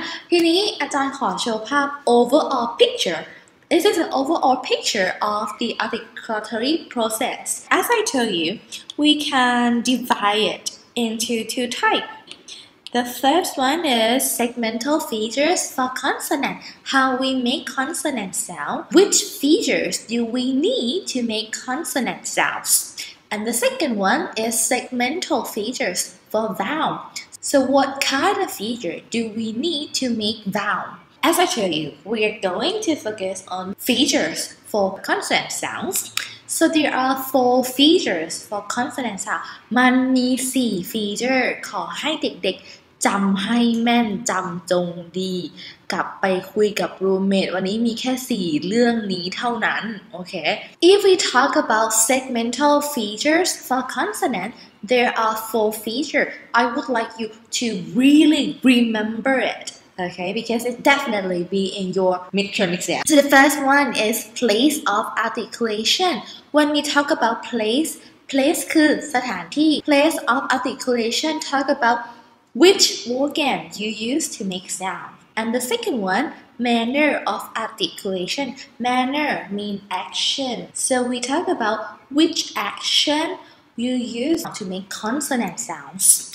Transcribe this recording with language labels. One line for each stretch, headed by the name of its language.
Thai: ทีนี้อาจารย์ขอโชว์ภาพ
English: overall picture This is an overall picture of the articulatory process As I told you, we can divide it into two types The first one is segmental features for consonant How we make consonant sound Which features do we need to make consonant sounds? And the second one is segmental features for vowel. So what kind of feature do we need to make vowel? As I tell you, we are going to focus on features for consonant sounds. So there are 4 features for consonant sounds.
Thai: มันมี 4 feature. ขอให้เด็กๆจำให้แม่นจำจงดีกลับไปคุยกับรูมเมทวันนี้มีแค่ 4 เรื่องนี้เท่านั้น Okay.
English: If we talk about segmental features for consonant, there are 4 features. I would like you to really remember it. Okay, because it definitely be in your midterm exam. So the first one is place of articulation. When we talk about place, place
Thai: คือสถานที่.
English: Place of articulation talk about which organ you use to make sound. And the second one, manner of articulation. Manner mean action. So we talk about which action you use to make consonant sounds.